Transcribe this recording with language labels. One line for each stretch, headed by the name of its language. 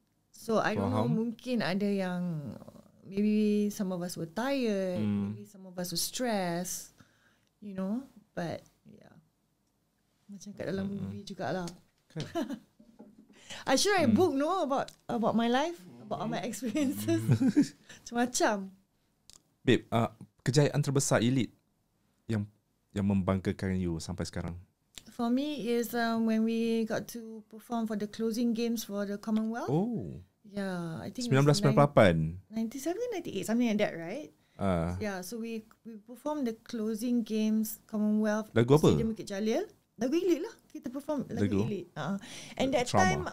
English: So I don't know,
Malay: mungkin ada yang
English: maybe some of us were tired, maybe some of us were stressed. You know, but yeah,
Malay: macam kat dalam movie jugalah.
English: Okay. I should write a book, about my life, about all my experiences,
Malay: macam. Babe, kejayaan terbesar elite yang membanggakan you sampai sekarang.
English: For me is when we got to perform for the closing games for the Commonwealth. Oh. Yeah, I think 1998, something like that, right? Yeah, so we performed the closing games Commonwealth.
Malay: Lagu apa? Stadium Bukit Jalil. Lagu Elit lah. Kita perform lagu Elit.
English: And that trauma.